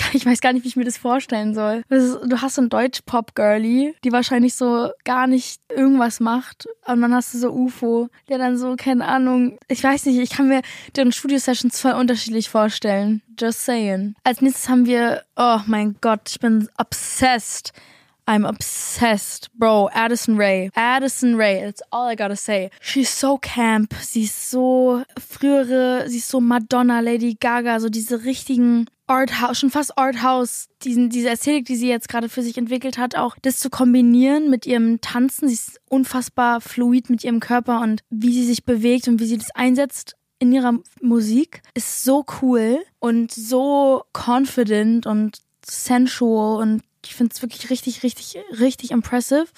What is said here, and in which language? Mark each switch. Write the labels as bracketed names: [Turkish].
[German] Ich weiß gar nicht, wie ich mir das vorstellen soll. Du hast so ein Deutsch-Pop-Girly, die wahrscheinlich so gar nicht irgendwas macht. Und dann hast du so UFO, der dann so, keine Ahnung, ich weiß nicht, ich kann mir deren Studio-Sessions voll unterschiedlich vorstellen. [English] Just saying. [German] Als nächstes haben wir, oh mein Gott, ich bin obsessed. [English] I'm obsessed. Bro, Addison Rae. Addison Rae, that's all I gotta say. She's so camp. [German] Sie ist so Madonna, Lady Gaga, so diese richtigen Arthouse, schon fast Arthouse, diese Ästhetik, die sie jetzt gerade für sich entwickelt hat, auch das zu kombinieren mit ihrem Tanzen. Sie ist unfassbar fluid mit ihrem Körper und wie sie sich bewegt und wie sie das einsetzt in ihrer Musik, ist so cool und so confident und sensual und ich finde es wirklich richtig, richtig, richtig impressive.